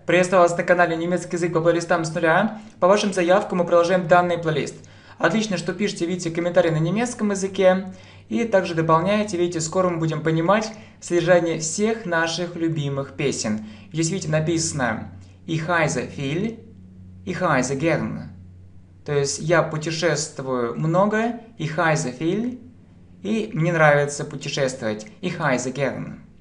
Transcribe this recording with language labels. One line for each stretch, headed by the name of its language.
Russian: Приветствую вас на канале «Немецкий язык по плейлистам с нуля». По вашим заявкам мы продолжаем данный плейлист. Отлично, что пишете, видите, комментарии на немецком языке. И также дополняете, видите, скоро мы будем понимать содержание всех наших любимых песен. Здесь, видите, написано
German: «Ich reise viel», «Ich reise gern».
Russian: То есть «Я путешествую много»,
German: «Ich reise viel»,
Russian: и «Мне нравится путешествовать»,
German: «Ich reise gern».